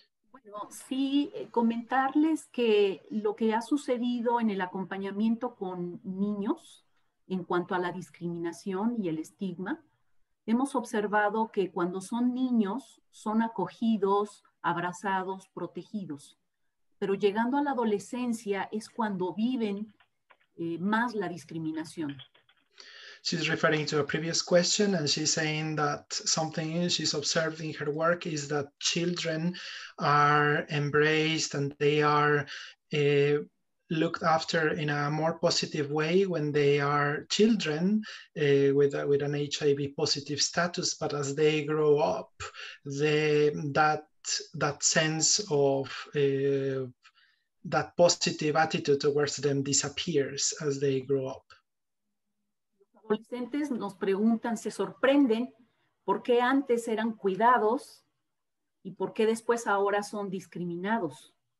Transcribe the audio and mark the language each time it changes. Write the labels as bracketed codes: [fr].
[es] Bueno, sí, comentarles que lo que ha sucedido en el acompañamiento con niños en cuanto a la discriminación y el estigma, hemos observado que cuando son niños, son acogidos, abrazados, protegidos. Pero llegando a la adolescencia es cuando viven más la discriminación. [en] She's referring to a previous question and she's saying that something she's observed in her work is that children are embraced and they are looked after in a more positive way when they are children with an HIV positive status. But as they grow up, that sense of that positive attitude towards them disappears as they grow up. [es] Los adolescentes nos preguntan, se sorprenden, ¿por qué antes eran cuidados y por qué después ahora son discriminados?